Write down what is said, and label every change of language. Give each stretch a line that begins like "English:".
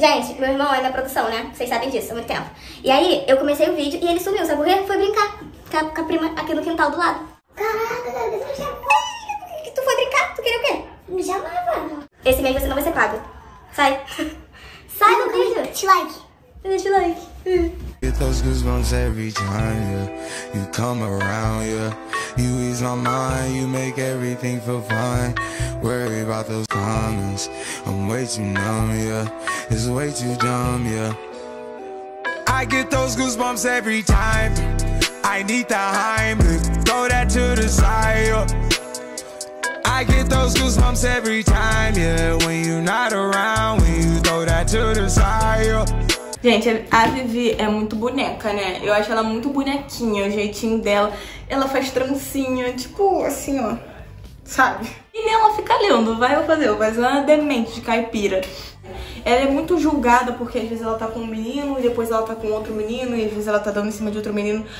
Portuguese: Gente, meu irmão é da produção, né? Vocês sabem disso há muito tempo. E aí, eu comecei o vídeo e ele sumiu, sabe por quê? Foi brincar com a prima aqui no quintal do lado. Caraca, você me chamou? Por que tu foi brincar? Tu queria o quê? Me chamava. Esse mês você não vai ser pago. Sai. Sai do vídeo. Deixa o like. Deixa o like.
English: Get those goosebumps every time, yeah. You come around, yeah. You ease my mind, you make everything feel fine. Worry about those comments, I'm way too numb, yeah. It's way too dumb, yeah. I get those goosebumps every time. I need the Heimlich, throw that to the side, yeah. I get those goosebumps every time, yeah. When you're not around, when you throw that to the side, yeah.
Portuguese: Gente, a Vivi é muito boneca, né? Eu acho ela muito bonequinha, o jeitinho dela. Ela faz trancinha, tipo assim, ó. Sabe? E nem ela fica lendo, vai eu fazer. Mas ela é demente, de caipira. Ela é muito julgada porque às vezes ela tá com um menino e depois ela tá com outro menino e às vezes ela tá dando em cima de outro menino.